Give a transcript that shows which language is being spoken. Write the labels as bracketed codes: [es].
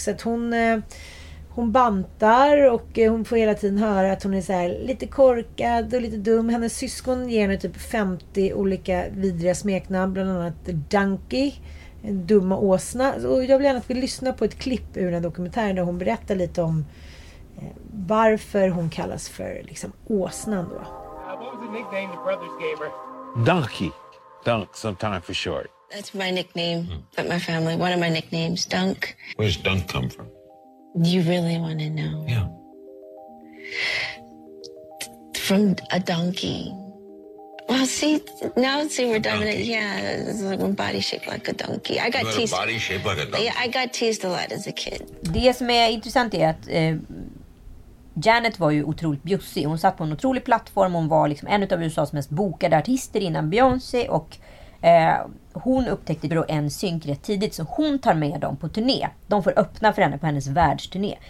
[sv] Så att hon bantar och hon får hela tiden höra att hon är så här lite korkad och lite dum. Hennes syskon ger henne typ 50 olika vidriga smeknamn, bland annat Donkey, en dumma åsna. Och jag vill gärna att vi lyssnar på ett klipp ur den dokumentären där hon berättar lite om varför hon kallas för liksom åsnan då. [en] What was the nickname the brothers gave her? Donkey. Dunk, sometime for short. That's my nickname, but my family, one of my nicknames, Dunk. Where's Dunk come from? You really want to know? Yeah. From a donkey. Well, see, now see we're dominant. Yeah, it's like my body shaped like a donkey. I got teased. Body shaped like a donkey. Yeah, I got teased a lot as a kid. [sv] Det som är intressant är att Janet var ju otroligt bjussig. Hon satt på en otrolig plattform. Hon var liksom en av USAs mest bokade artister innan Beyoncé. Och hon upptäckte då NSYNC rätt tidigt. Så hon tar med dem på turné. De får öppna för henne på hennes världsturné.